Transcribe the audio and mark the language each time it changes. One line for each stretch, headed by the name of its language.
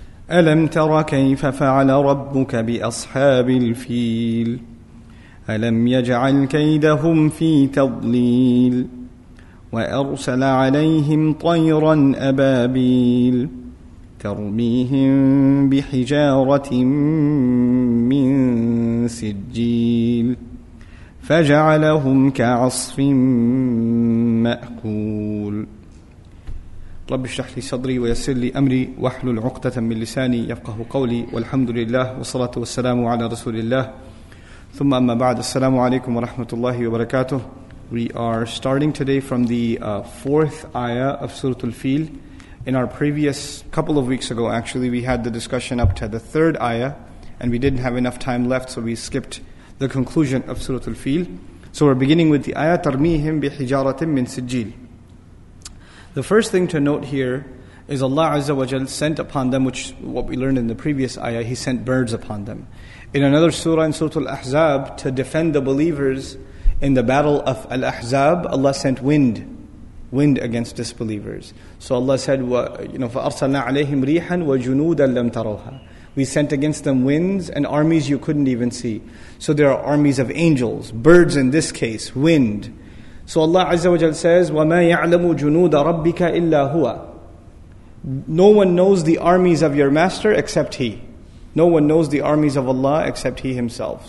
Arabic: ألم تر كيف فعل ربك بأصحاب الفيل؟ ألم يجعل كيدهم في تضليل؟ وأرسل عليهم طيرا أبابيل ترميهم بحجارة من سجيل فجعلهم كعصف مأكول. رب اشرح لي صدري ويسر لي أمري واحلل عقدة من لساني يفقه قولي والحمد لله والصلاة والسلام على رسول الله ثم أما بعد السلام عليكم ورحمة الله وبركاته.
English: We are starting today from the fourth ayah of Surah Al-Fil. In our previous couple of weeks ago, actually, we had the discussion up to the third ayah, and we didn't have enough time left, so we skipped the conclusion of Surah Al-Fil. So we're beginning with the ayah,
Arabic: تَرْمِيهِمْ بِحِجَارَةٍ مِّنْ سِجِّيلٍ.
English: The first thing to note here is Allah Azza wa Jal sent upon them, which what we learned in the previous ayah, He sent birds upon them. In another surah, in Surah Al-Ahzab, to defend the believers in the battle of Al-Ahzab, Allah sent wind against disbelievers. So Allah said,
Arabic: فَأَرْسَلْنَا عَلَيْهِمْ رِيحًا وَجُنُودًا لَمْ تَرَوْهَا.
English: We sent against them winds and armies you couldn't even see. So there are armies of angels, birds in this case, wind. So Allah Azza wa Jal says,
Arabic: وَمَا يَعْلَمُ جُنُودَ رَبِّكَ إِلَّا هُوَ.
English: No one knows the armies of your master except He. No one knows the armies of Allah except He Himself.